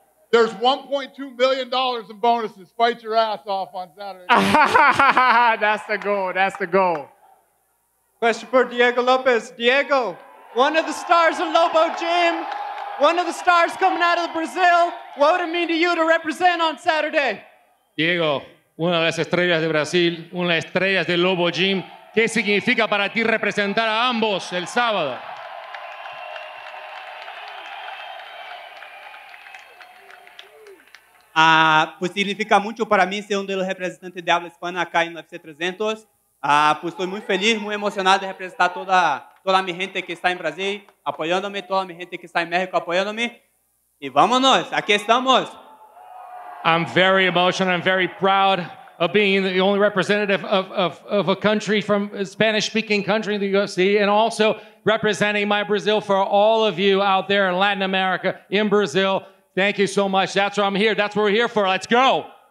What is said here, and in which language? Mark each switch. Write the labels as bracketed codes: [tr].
[en] There's $1.2 million in bonuses. Fight your ass off on Saturday. That's the goal. Question for Diego Lopez. Diego, one of the stars of Lobo Gym, one of the stars coming out of Brazil. What would it mean to you to represent on Saturday? [es] Diego, una de las estrellas de Brasil, una de las estrellas de Lobo Gym. ¿Qué significa para ti representar a ambos el sábado? Pues significa mucho para mí ser de los representantes de habla hispana acá en UFC 300. Pues estoy muy feliz, muy emocionado de representar toda mi gente que está en Brasil apoyándome, toda mi gente que está en México apoyándome. Y vámonos, aquí estamos. [en] I'm very emotional, I'm very proud of being the only representative of a country from a Spanish-speaking country in the UFC, and also representing my Brazil for all of you out there in Latin America, in Brazil. Thank you so much. That's where I'm here. That's what we're here for. Let's go.